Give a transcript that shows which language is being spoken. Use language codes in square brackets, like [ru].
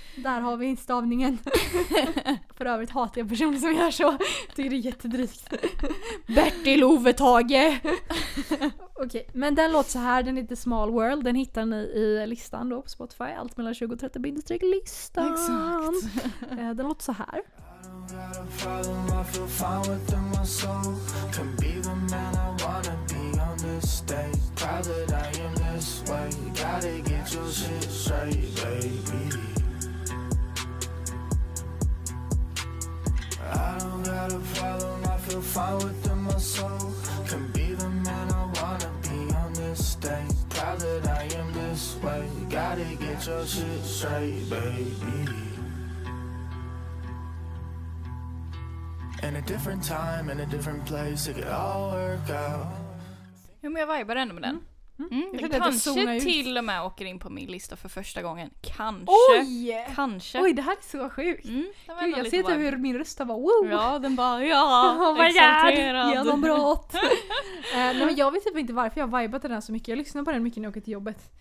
[sv] Där har vi instavningen. För övrigt hatar jag personer som gör så. Tycker det är jättedrygt. Bertil, Ove, Tage. Okej, men den låter så här. Den heter Small World. Den hittar ni i listan då på Spotify. Allt mellan 20 och 30 bindestreck listan. Exakt. Den låter så här. [en] Gotta follow, I feel fine within my soul. Can be the man I wanna be on this day. Proud that I am this way. Gotta get your shit straight, baby. I don't gotta follow, I feel fine within my soul. Can be the man I wanna be on this day. Proud that I am this way. Gotta get your shit straight, baby. In a different time, in a different place, it could all work out. [sv] Jo, men jag vibar ändå med den. Mm. Den kanske till och med åker in på min lista för första gången. Kanske. Oj! Kanske. Oj, det här är så sjukt. Mm. Gud, jag ser inte hur min röst var. Woo! Ja, den bara, ja, exalterad. Genombrott. Nej, men jag vet typ inte varför jag vibat den här så mycket. Jag lyssnar på den mycket när jag åker till jobbet.